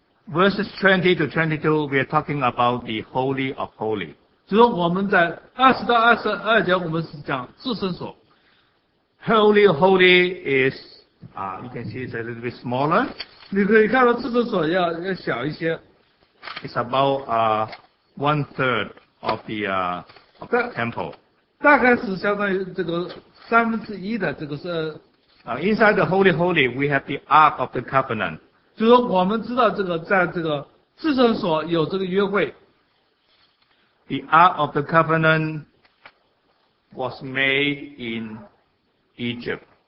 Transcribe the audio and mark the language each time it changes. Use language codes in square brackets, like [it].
[en] Verses 20 to 22, we are talking about the Holy of Holy. [zh] 就是我们在20到22节，我们是讲至圣所。 [en] Holy of Holy is, you can see it's a little bit smaller. [zh] 你可以看到至圣所要小一些。 [en] It's about, one third of the, temple. [zh] 大概是相当于这个三分之一的这个是。 [en] Inside the Holy Holy, we have the Ark of the Covenant. [zh] 就是说我们知道这个在这个至圣所有这个约会。 [en] The Ark of the Covenant was made in Egypt.